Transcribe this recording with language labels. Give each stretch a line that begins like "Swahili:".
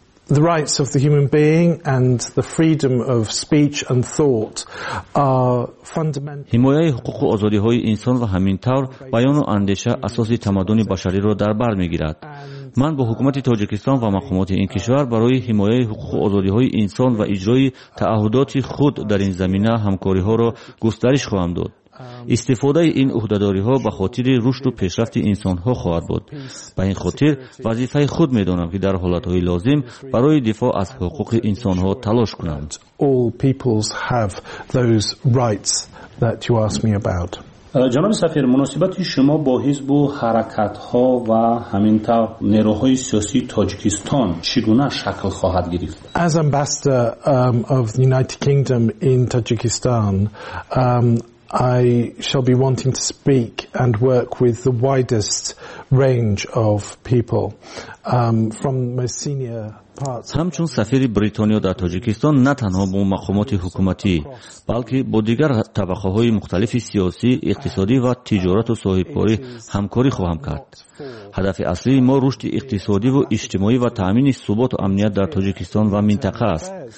English: The rights of the human being and the freedom of speech and thought are fundamental.
Persian: حمایت حقوق و آزادی‌های انسان و همینطور بیان و اندیشه اساسی تمدن بشری را در بر می‌گیرد. من با حکومت تاجیکستان و مقامات این کشور برای حمایت حقوق و آزادی‌های انسان و اجرای تعهدات خود در این زمینه همکاری‌ها را گسترش خواهم داد. استفاده این عهده‌داری ها به خاطر رشد و پیشرفت انسان ها خواهد بود. به این خاطر وظیفه خود می دانم که در حالت های لازم برای دفاع از حقوق انسان ها تلاش کنم.
English: All peoples have those rights that you asked me about.
Persian: جناب سفیر، مناسبت شما با حزب و حرکت ها و همینطور نیروهای سیاسی تاجیکستان چگونه شکل خواهد گرفت؟
English: As ambassador of the United Kingdom in Tajikistan, I shall be wanting to speak and work with the widest range of people from most senior parts.
Persian: همچون سفیر بریتانیا در تاجیکستان نه تنها با مقامات حکومتی بلکه با دیگر طبقه های مختلف سیاسی، اقتصادی و تجارت و صاحبکاری همکاری خواهم کرد. هدف اصلی ما رشد اقتصادی و اجتماعی و تامین ثبات و امنیت در تاجیکستان و منطقه است.